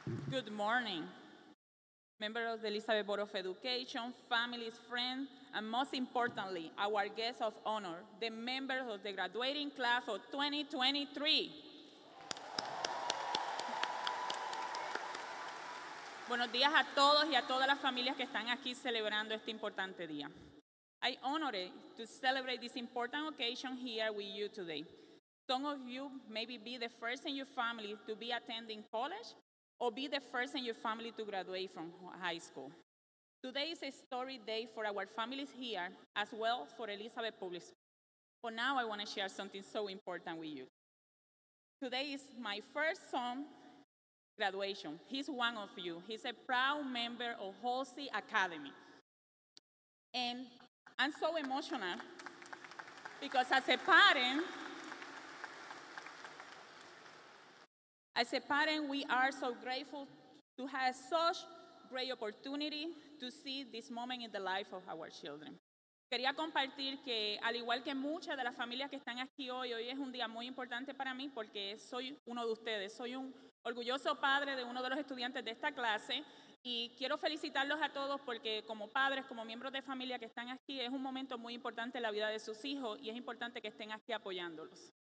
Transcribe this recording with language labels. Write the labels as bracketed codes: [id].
[en] Good morning. Members of the Elizabeth Board of Education, families, friends, and most importantly, our guests of honor, the members of the graduating class of 2023. [es] Buenos días a todos y a todas las familias que están aquí celebrando este importante día. [en] I honor it to celebrate this important occasion here with you today. Some of you may be the first in your family to be attending college, or be the first in your family to graduate from high school. Today is a story day for our families here, as well for Elizabeth Public School. For now, I want to share something so important with you. Today is my first son's graduation. He's one of you. He's a proud member of Halsey Academy. And I'm so emotional, because as a parent, we are so grateful to have such great opportunity to see this moment in the life of our children. [es] Quería compartir que, al igual que muchas de las familias que están aquí hoy, hoy es un día muy importante para mí porque soy uno de ustedes. Soy un orgulloso padre de uno de los estudiantes de esta clase y quiero felicitarlos a todos porque como padres, como miembros de familia que están aquí, es un momento muy importante en la vida de sus hijos y es importante que estén aquí apoyándolos.